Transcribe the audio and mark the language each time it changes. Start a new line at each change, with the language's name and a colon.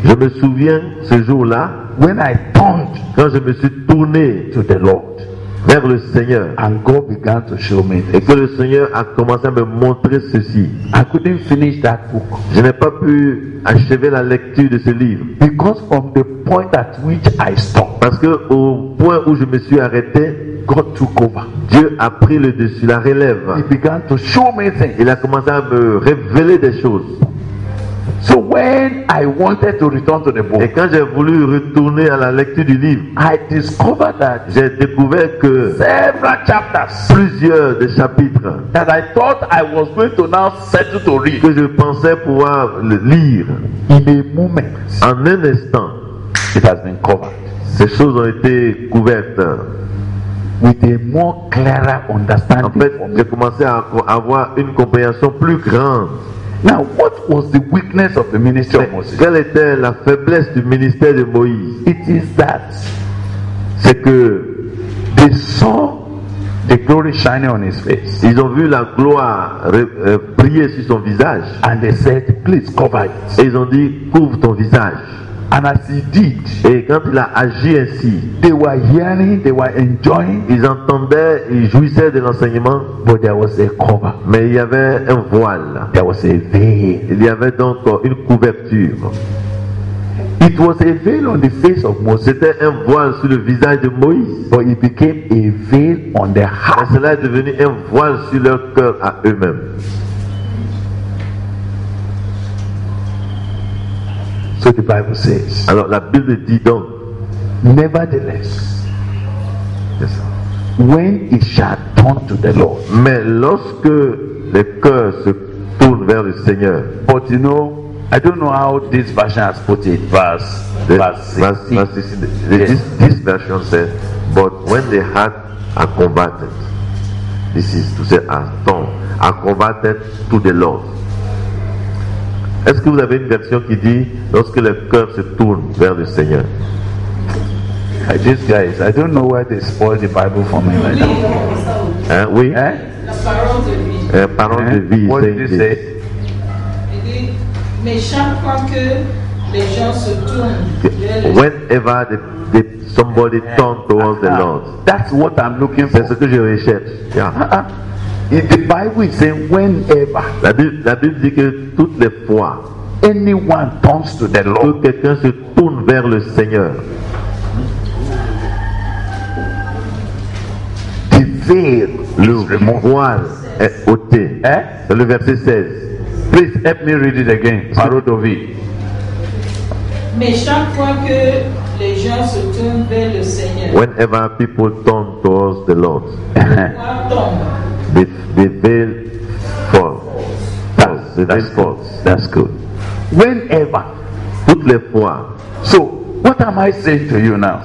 French: Je me souviens ce jour-là.
English: When I turned,
French: quand je me suis tourné
English: to the Lord,
French: vers le Seigneur,
English: and God began to show me this.
French: Et que le Seigneur a commencé à me montrer ceci.
English: I couldn't finish that book.
French: Je n'ai pas pu achever la lecture de ce livre.
English: Because from the point at which I stopped,
French: parce que au point où je me suis arrêté,
English: God took over.
French: Dieu a pris le dessus, la relève.
English: He began to show me things.
French: Il a commencé à me révéler des choses.
English: So when I wanted to return to the book,
French: et quand j'ai voulu retourner à la lecture du livre,
English: I discovered that
French: j'ai découvert que
English: several chapters,
French: plusieurs des chapitres,
English: that I thought I was going to now settle to read,
French: que je pensais pouvoir le lire,
English: in a moment,
French: en un instant,
English: it has been covered.
French: Ces choses ont été couvertes.
English: With a more clearer understanding,
French: en fait, j'ai commencé à avoir une compréhension plus grande.
English: Now, what was the weakness of the ministry of Moses?
French: Quelle était la faiblesse du ministère de Moïse?
English: It is that,
French: c'est que
English: they saw the glory shining on his face.
French: Ils ont vu la gloire briller sur son visage.
English: And they said, please cover it.
French: Et ils ont dit, couvre ton visage.
English: And as he did,
French: et quand il a agi ainsi,
English: they were hearing, they were enjoying.
French: Ils entendaient, ils jouissaient de l'enseignement.
English: But there was a cover.
French: Mais il y avait un voile.
English: There was a veil.
French: Il y avait donc une couverture.
English: It was a veil on the face of Moses.
French: C'était un voile sur le visage de Moïse.
English: But it became a veil on their heart.
French: Et cela est devenu un voile sur leur cœur à eux-mêmes.
English: So the Bible says.
French: Alors la Bible dit donc.
English: Nevertheless, yes, sir. When it shall turn to the Lord.
French: Mais lorsque le cœur se tourne vers le Seigneur.
English: But you know, I don't know how this version has put it. This version says, but when the heart are converted, this is to say, are converted to the Lord.
French: Est-ce que vous avez une version qui dit lorsque le cœur se tourne vers le Seigneur?
English: These guys, I don't know why they spoil the Bible for me. Right now.
French: Hein, oui. Hein? Parole de vie.
English: What did they say?
French: Mais chaque fois que les gens se tournent,
English: whenever somebody turns towards the Lord, that's what I'm looking
French: c'est
English: for.
French: C'est ce que je recherche.
English: Yeah. If the Bible is saying whenever,
French: la Bible dit que toutes les fois,
English: anyone turns to the Lord,
French: que quelqu'un se tourne vers le Seigneur,
English: the veil,
French: le voile est ôté. Eh? Le verset 16.
English: Please help me read it again.
French: Paro Dovi. Mais chaque fois que les gens se tournent vers le Seigneur,
English: whenever people turn towards the Lord, the veil falls. That's good. Whenever,
French: toutes les fois.
English: So, what am I saying to you now?